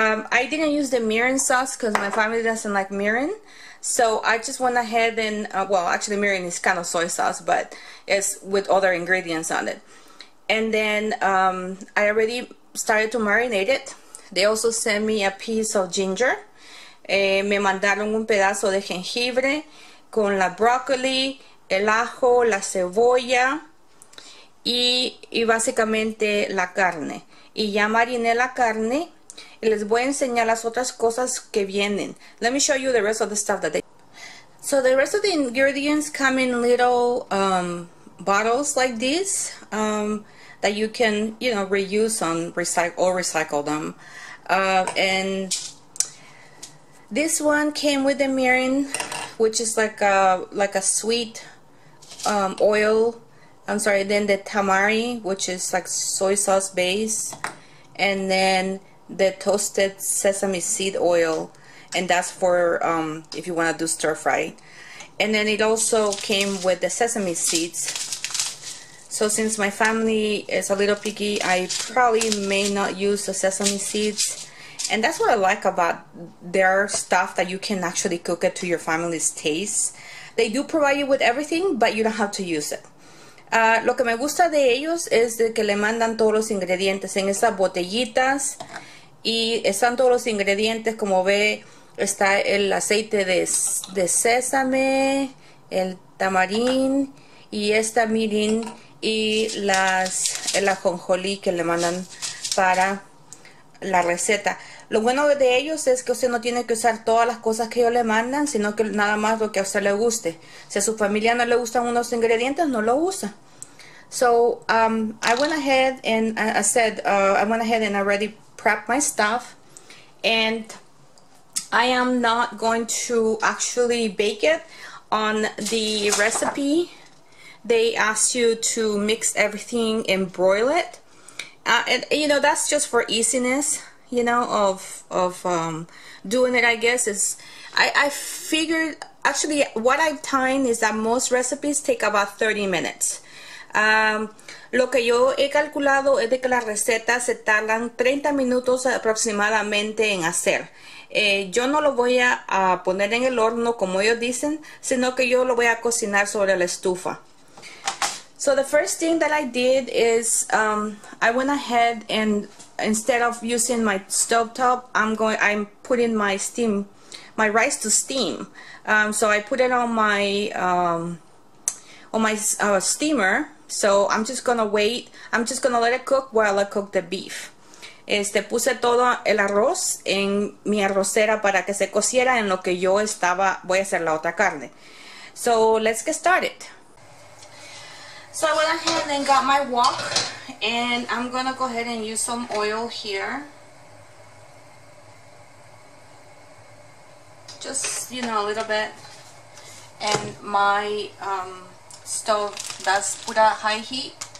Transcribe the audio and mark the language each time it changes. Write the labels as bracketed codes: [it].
[en] I didn't use the mirin sauce because my family doesn't like mirin, so I just went ahead and well, actually mirin is kind of soy sauce, but it's with other ingredients on it. And then I already started to marinate it. They also sent me a piece of ginger. [es] Me mandaron un pedazo de jengibre con la broccoli, el ajo, la cebolla y básicamente la carne. Y ya mariné la carne y les voy a enseñar las otras cosas que vienen. [en] Let me show you the rest of the stuff that they. So the rest of the ingredients come in little bottles like this. That you can, you know, reuse on recycle or recycle them. And this one came with the mirin, which is like a sweet oil. I'm sorry, then the tamari, which is like soy sauce base, and then the toasted sesame seed oil, and that's for if you want to do stir fry. And then it also came with the sesame seeds. So since my family is a little picky, I probably may not use the sesame seeds. And that's what I like about their stuff, that you can actually cook it to your family's taste. They do provide you with everything, but you don't have to use it. [es] Lo que me gusta de ellos es de que le mandan todos los ingredientes en esas botellitas. Y están todos los ingredientes, como ve, está el aceite de sésame, el tamarín y esta mirin. Y el ajonjolí que le mandan para la receta. Lo bueno de ellos es que usted no tiene que usar todas las cosas que ellos le mandan, sino que nada más lo que a usted le guste. Si a su familia no le gustan unos ingredientes, no lo usa. [en] So, I went ahead and I said, I went ahead and already prepped my stuff. And I am not going to actually bake it on the recipe. They ask you to mix everything and broil it. And you know, that's just for easiness, you know, of doing it, I guess. I figured, actually, what I've timed is that most recipes take about 30 minutes. [es] Lo que yo he calculado es de que las recetas se tardan 30 minutos aproximadamente en hacer. Yo no lo voy a poner en el horno como ellos dicen, sino que yo lo voy a cocinar sobre la estufa. [en] So the first thing that I did is I went ahead and instead of using my stovetop, I'm putting my rice to steam. So I put it on my steamer. So I'm just gonna wait. I'm just gonna let it cook while I cook the beef. [es] Puse todo el arroz en mi arrocera para que se cociera en lo que yo estaba, voy a hacer la otra carne. [en] So let's get started. So I went ahead and got my wok, and I'm gonna go ahead and use some oil here. Just, a little bit. And my stove does put a high heat.